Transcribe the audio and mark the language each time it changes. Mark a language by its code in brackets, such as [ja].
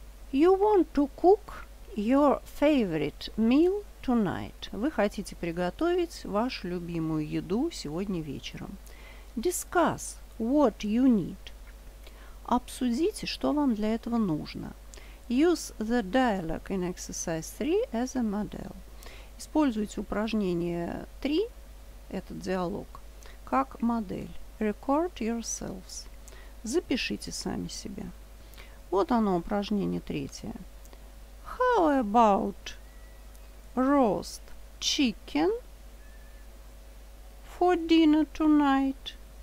[en] You want to cook your favorite meal tonight. [ru] Вы хотите приготовить вашу любимую еду сегодня вечером. [en] Discuss what you need. [ru] Обсудите, что вам для этого нужно. [en] Use the dialogue in exercise 3 as a model. [ru] Используйте упражнение 3, этот диалог, как модель. [en] Record yourselves. [ru] Запишите сами себя. Вот оно, упражнение третье. [en] How about roast chicken for dinner tonight?